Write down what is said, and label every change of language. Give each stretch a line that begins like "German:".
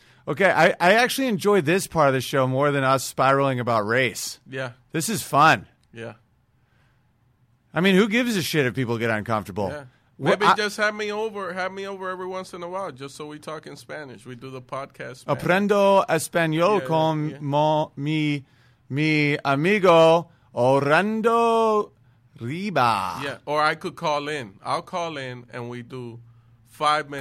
English: Okay, I actually enjoy this part of the show more than us spiraling about race. Yeah. This is fun. Yeah. I mean, who gives a shit if people get uncomfortable? Yeah. Maybe just have me over every once in a while just so we talk in Spanish. We do the podcast. Spanish.
Spanish: Aprendo español con mi amigo Orlando Riba.
English: Yeah, or I could call in. I'll call in and we do 5 minutes.